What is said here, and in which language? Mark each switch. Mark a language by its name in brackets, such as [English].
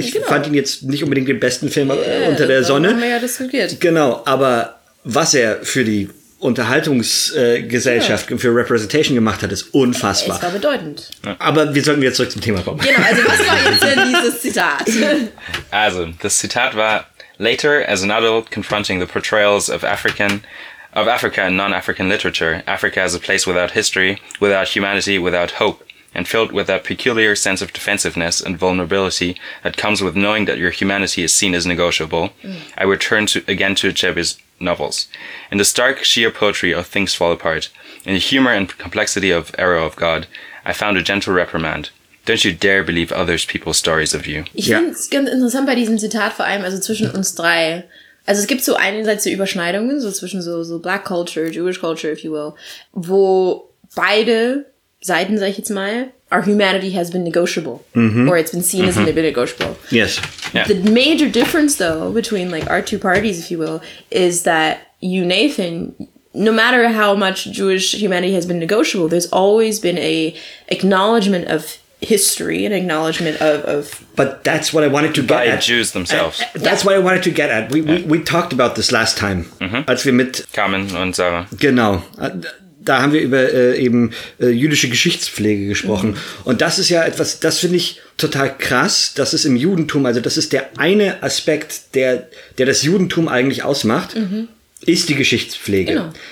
[German] Ich fand ihn jetzt nicht unbedingt den besten Film unter der Sonne. Haben wir ja diskutiert. Genau, aber was er für die Unterhaltungsgesellschaft für Representation gemacht hat, ist unfassbar. Es war bedeutend. Aber wir sollten wieder zurück zum Thema kommen. Genau, also was war jetzt denn dieses Zitat? [English] Also, das Zitat war: Later, as an adult confronting the portrayals of Africa in non-African literature, Africa as a place without history, without humanity, without hope, and filled with that peculiar sense of defensiveness and vulnerability that comes with knowing that your humanity is seen as negotiable, I return again to Achebe's novels. In the stark sheer poetry of Things Fall Apart, in the humor and complexity of Arrow of God, I found a gentle reprimand. Don't you dare believe other people's stories of you. [German] Ich finde es ganz interessant bei diesem Zitat, vor allem also zwischen uns drei. Also es gibt so einerseits so Überschneidungen, so zwischen so [English] Black Culture, Jewish Culture, if you will, [German] wo beide Seiten, sag ich jetzt mal, [English] our humanity has been negotiable. Mm-hmm. Or it's been seen as been negotiable. Yes. Yeah. The major difference, though, between like our two parties, if you will, is that you, Nathan, no matter how much Jewish humanity has been negotiable, there's always been a acknowledgement of history, an acknowledgement of... But that's what I wanted to get at. By Jews themselves. That's what I wanted to get at. We talked about this last time. Mm-hmm. [German] Als wir mit... Carmen und Sarah. Genau. Da haben wir über jüdische Geschichtspflege gesprochen. Mhm. Und das ist ja etwas, das finde ich total krass, dass es im Judentum, also das ist der eine Aspekt, der das Judentum eigentlich ausmacht, ist die Geschichtspflege. Genau.